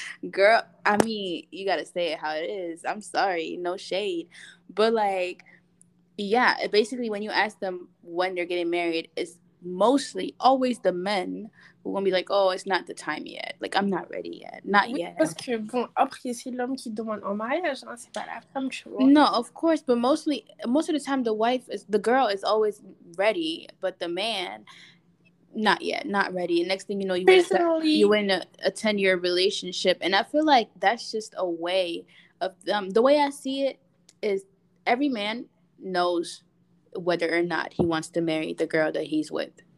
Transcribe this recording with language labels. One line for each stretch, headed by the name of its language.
English: Girl, I mean, you gotta say it how it is. I'm sorry, no shade, but like, yeah, basically when you ask them when they're getting married, it's mostly always the men who gonna be like, oh, it's not the time yet, like, I'm not ready yet, not oui, yet,
French: parce que bon, après c'est l'homme qui demande en mariage, hein, c'est pas la femme, tu vois.
English: No, of course, but mostly most of the time the girl is always ready, but the man, not yet, not ready. And next thing you know, you're in a 10-year relationship. And I feel like that's just a way of, the way I see it is every man knows whether or not he wants to marry the girl that he's with.